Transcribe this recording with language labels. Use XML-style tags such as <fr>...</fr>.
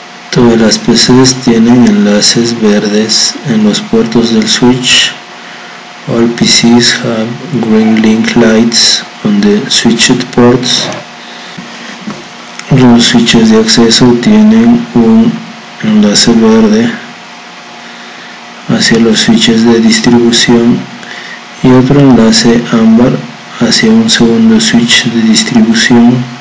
<es>Todas las PCs tienen enlaces verdes en los puertos del switch.</es> <en>All PCs have green link lights on the switched ports.</en> <es>Los switches de acceso tienen un enlace verde hacia los switches de distribución y otro enlace ámbar hacia un segundo switch de distribución.</es>